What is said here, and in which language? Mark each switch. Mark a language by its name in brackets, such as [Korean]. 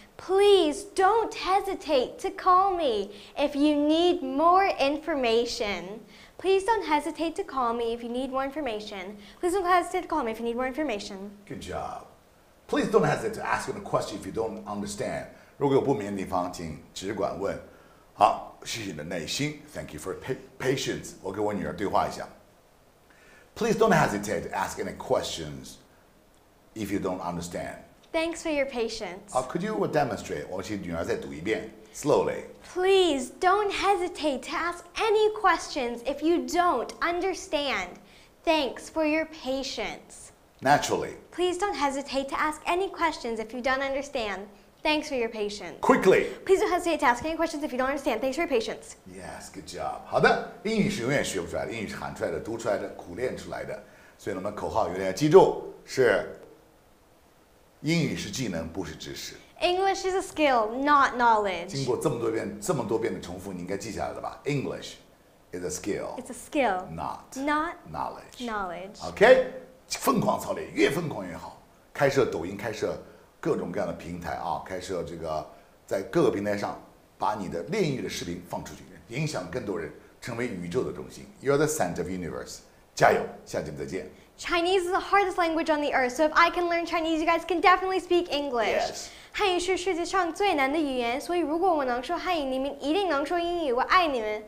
[English] Please don't hesitate to call me if you need more information. Please don't hesitate to call me if you need more information. Please don't hesitate to call me if you need more information. Good job. Please don't hesitate to ask a question if you don't understand. [Chinese] 如果有不明的地方请只管问。好谢谢你的耐心。 [English] Thank you for patience. [Chinese] 我跟我女儿对话一下。 [English] Please don't hesitate to ask any questions if you don't understand. Thanks for your patience. [Chinese] 好 [English] could you demonstrate? [Chinese] 我请女儿再读一遍。 [English] Slowly. Please don't hesitate to ask any questions if you don't understand. Thanks for your patience. Naturally. Please don't hesitate to ask any questions if you don't understand. Thanks for your patience. Quickly. Please don't hesitate to ask any questions if you don't understand. Thanks for your patience. Yes, good job. [Chinese] 好的，英语是永远学不出来的，英语是喊出来的，读出来的，苦练出来的。所以我们口号永远记住是英语是技能，不是知识。 [English] English is a skill, not knowledge. [Chinese] 经过这么多遍的重复，你应该记下来了吧 ？ [English] English is a skill. It's a skill, not knowledge. Knowledge. [Chinese] Okay, 疯狂操练，越疯狂越好。开设抖音，开设各种各样的平台啊，开设这个在各个平台上把你的练英语的视频放出去，影响更多人，成为宇宙的中心。 [English] You're the center of universe. [Chinese] 加油，下期再见。 [English] Chinese is the hardest language on the earth, so if I can learn Chinese, you guys can definitely speak English. Yes. [Chinese] 汉语是世界上最难的语言，所以如果我能说汉语，你们一定能说英语。我爱你们。